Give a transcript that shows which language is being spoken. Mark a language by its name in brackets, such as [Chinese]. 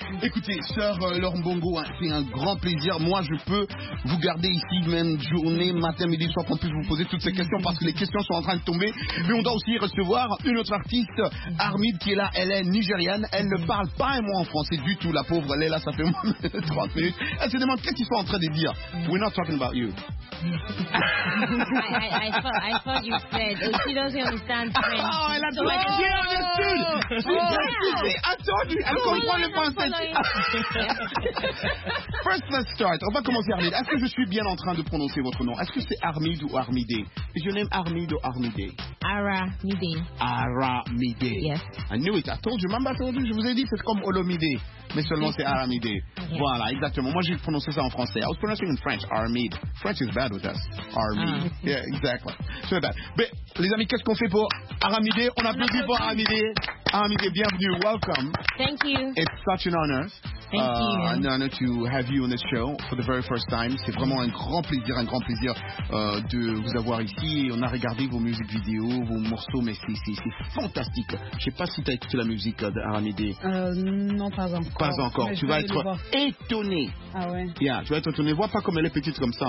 [French] Écoutez, sœur Laure Mbongo, hein, c'est un grand plaisir. Moi, je peux vous garder ici même journée, matin, midi, soir, qu'on puisse vous poser toutes ces questions parce que les questions sont en train de tomber. Mais on doit aussi recevoir une autre artiste, Armide, qui est là. Elle est nigériane. Elle ne parle pas un mot en français du tout. La pauvre, elle est là, ça fait 30 minutes. Elle se demande qu'est-ce qu'ils sont en train de dire. [English] We're not talking about you. I thought you said she doesn't understand French. [French] Oh, elle a tout dit. Elle comprend le français. [English] First, let's start. [French] On va commencer, Armide. Est-ce que je suis bien en train de prononcer votre nom? Est-ce que c'est Armide ou Armide? Je l'aime Armide ou Armide. Aramide. Aramide. [English] Yes. I knew it. I told you. [French] Maman, attendu. Je vous ai dit, c'est comme Olomide. Mais seulement c'est Aramide. Voilà, exactement. Moi, j'ai prononcé ça en français. [English] I was pronouncing in French. Armide. French is bad with us. Armide. Yeah, exactly. So bad. [French] Mais, les amis, qu'est-ce qu'on fait pour Aramide? On applaudit pour Aramide. Aramide, bienvenue. Welcome. [English] Thank you. It's such an honor. Thank you. An honor to have you on this show for the very first time. [French] C'est vraiment un grand plaisir de vous avoir ici. On a regardé vos musiques vidéo, vos morceaux, mais c'est fantastique. Je sais pas si tu as écouté la musique d'Aramide. Non, pas encore. Pas encore. Mais tu vas être étonné. Ah ouais. Yeah, tu vas être étonné. Vois pas comme elle est petite comme ça.